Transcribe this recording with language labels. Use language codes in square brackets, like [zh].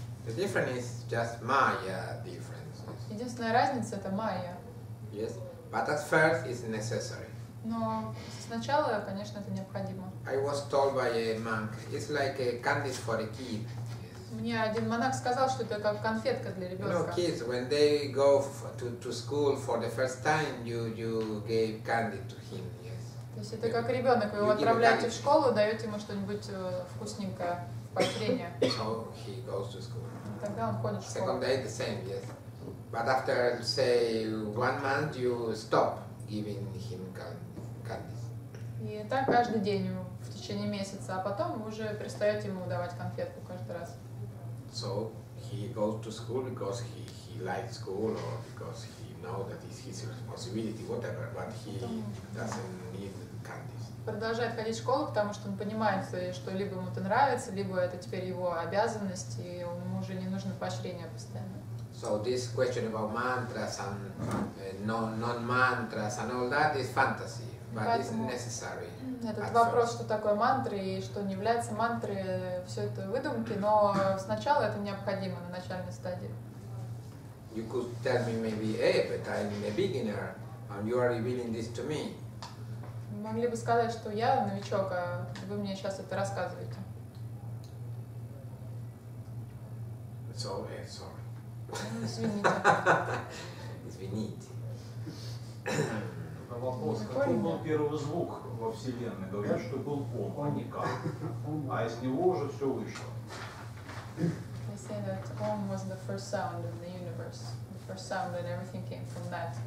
[en] The difference is just Maya difference. [ru] Единственная разница это Maya. [en] Yes, but at first it's necessary. [ru] Но сначала, конечно, это необходимо. [en] I was told by a monk, it's like a candy for a kid. [ru] Мне один монах сказал, что это как конфетка для ребенка. [en] No, kids, when they go to school for the first time, you gave candy to him, yes. [ru] То есть это как ребенок, вы его отправляете в школу, даете ему что-нибудь вкусненькое, поощрение. [en] So he goes to school. [ru] Тогда он ходит в школу. [en] Second day the same, yes. But after, say, 1 month, you stop giving him candy. [ru] И так каждый день в течение месяца, а потом вы уже перестаете ему давать конфетку каждый раз. [en] So he goes to school because he likes school or because he knows that it's his responsibility, whatever, but he doesn't need candies. [ru] Продолжает ходить в школу, потому что он понимает, что либо ему это нравится, либо это теперь его обязанность, и ему уже не нужно поощрение постоянно. [en] So this question about mantras and non-mantras and all that is fantasy. [ru] Этот вопрос, что такое мантры и что не является мантры, все это выдумки, но сначала это необходимо на начальной стадии. [en] You could tell me maybe, hey, but I'm a beginner, and you are revealing this to me. [ru] Могли бы сказать, что я новичок, а вы мне сейчас это рассказываете. [en] It's all right, sorry. [ru] Извините. Вопрос, какой был первый звук во Вселенной? Говорят, что был Ом, а не Ка. А из него уже все вышло. [en] They say that Ом was the first sound in the universe. The first sound and everything came from that.